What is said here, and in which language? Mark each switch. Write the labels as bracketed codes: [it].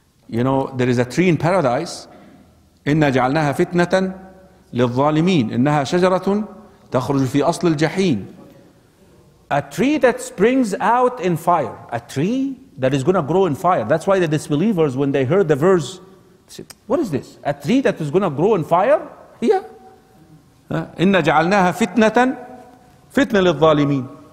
[en] You know, there is a tree in paradise. [ar] إنا جعلناها فتنة للظالمين. إنها شجرة تخرج في أصل الجحيم. [en] A tree that springs out in fire. A tree that is going to grow in fire. That's why the disbelievers, when they heard the verse, said, what is this? A tree that is going to grow in fire? Yeah. [ar] إنا جعلناها فتنة فتنة للظالمين.